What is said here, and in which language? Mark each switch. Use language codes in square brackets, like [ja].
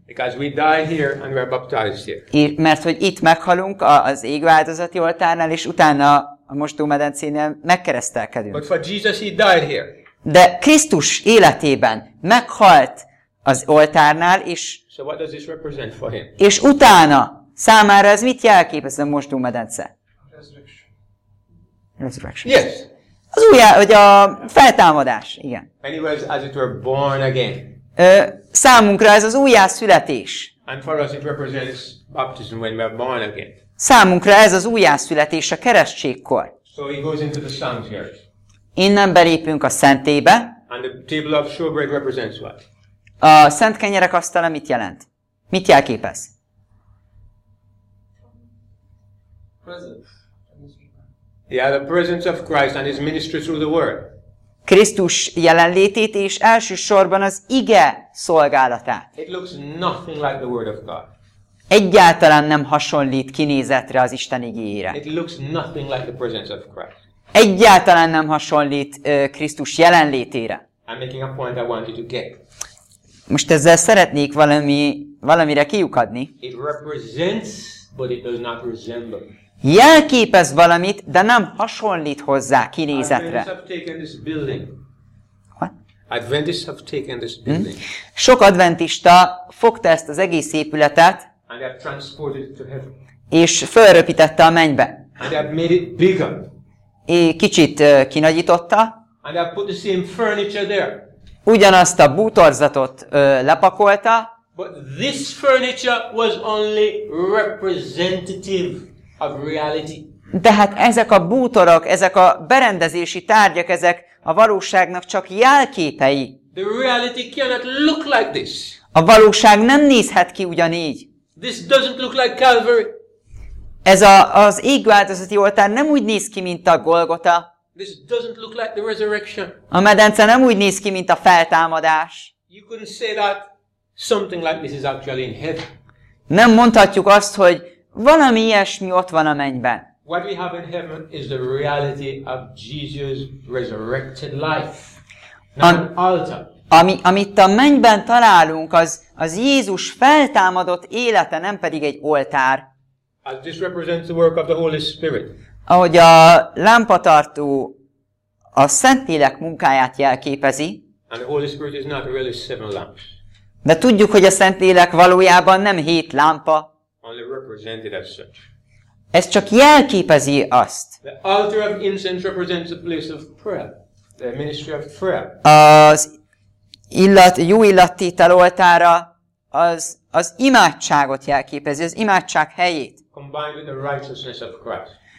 [en] Because we die here and we're baptized here. [hu] Mert hogy itt meghalunk az égváltozati oltárnál, és utána a mosdómedencénél megkeresztelkedünk. [en] But for Jesus, he died here. [hu] De Krisztus életében meghalt az oltárnál, és [en] so what does this represent for him? [hu] És utána számára ez mit jelképez a mosdómedence? [en] Resurrection. Yes. [hu] Az újjá, vagy a feltámadás, igen. [en] Anyways, as it were born again. [hu] Számunkra ez az újjászületés. [en] And for us it represents baptism when we are born again. [hu] Számunkra ez az újjászületés a keresztségkor. [en] So he goes into the sanctuary. [hu] Innen belépünk a szentélybe. [en] And the table of showbread represents what? [hu] A szent kenyerek asztala mit jelent? Mit jelképez? [en] Presence. Yeah, the presence of Christ and his ministry through the word. [hu] Krisztus jelenlétét és elsősorban az ige szolgálatát. [en] It looks nothing like the word of God. [hu] Egyáltalán nem hasonlít kinézetre az Isten igéjére. [en] It looks nothing like the presence of Christ. [hu] Egyáltalán nem hasonlít Krisztus jelenlétére. [en] I'm making a point I want you to get. [hu] Most ezzel szeretnék valamire kiukadni. [en] It represents, but it does not resemble. [hu] Jelképez valamit, de nem hasonlít hozzá kinézetre. [en] Adventists have taken this building. What? Adventists have taken this building. [hu] Sok adventista fogta ezt az egész épületet, [en] and they have transported it to heaven. [hu] És fölröpítette a mennybe. [en] And they have made it bigger. [hu] Kicsit kinagyította. [en] And they have put the same furniture there. [hu] Ugyanazt a bútorzatot lepakolta. [en] But this furniture was only representative of reality. [hu] De hát ezek a bútorok, ezek a berendezési tárgyak, ezek a valóságnak csak jelképei. [en] The reality cannot look like this. [hu] A valóság nem nézhet ki ugyanígy. [en] This doesn't look like Calvary. [hu] Ez az égváltozati oltár nem úgy néz ki, mint a Golgota. [en] This doesn't look like the resurrection. [hu] A medence nem úgy néz ki, mint a feltámadás. [en] You couldn't say that something like this is actually in heaven. [hu] Nem mondhatjuk azt, hogy valami ilyesmi ott van a mennyben. [en] What we have in heaven is the reality of Jesus' resurrected life. Not an altar. [hu] Amit a mennyben találunk, az Jézus feltámadott élete, nem pedig egy oltár. [en] As this represents the work of the Holy Spirit. [hu] Ahogy a lámpatartó a Szentlélek munkáját jelképezi. [en] And the Holy Spirit is not really seven lamps. [hu] De tudjuk, hogy a Szentlélek valójában nem hét lámpa. [en] Only represented as such. [hu] Ez csak jelképezi azt. [en] The altar of incense represents the place of prayer, the ministry of prayer. [hu] Az jó illattétel oltára az imádságot jelképezi, az imádság helyét. [en] Combined with the righteousness of Christ.